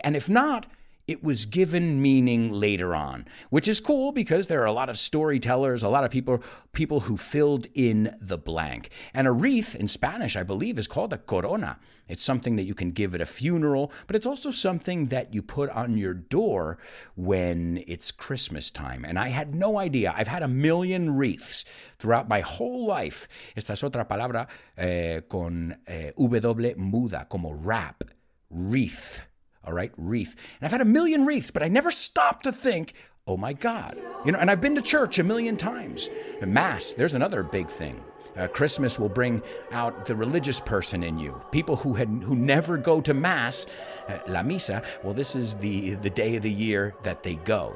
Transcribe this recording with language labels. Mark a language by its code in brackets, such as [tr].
[en] And if not, it was given meaning later on, which is cool because there are a lot of storytellers, a lot of people who filled in the blank. And a wreath in Spanish, I believe, is called a corona. It's something that you can give at a funeral, but it's also something that you put on your door when it's Christmas time. And I had no idea. I've had a million wreaths throughout my whole life. [es] Esta es otra palabra con W muda, como wrap, wreath. [en] All right, wreath. And I've had a million wreaths, but I never stopped to think, oh my God. You know, and I've been to church a million times. Mass, there's another big thing. Christmas will bring out the religious person in you. People who never go to Mass, la misa, well, this is the day of the year that they go.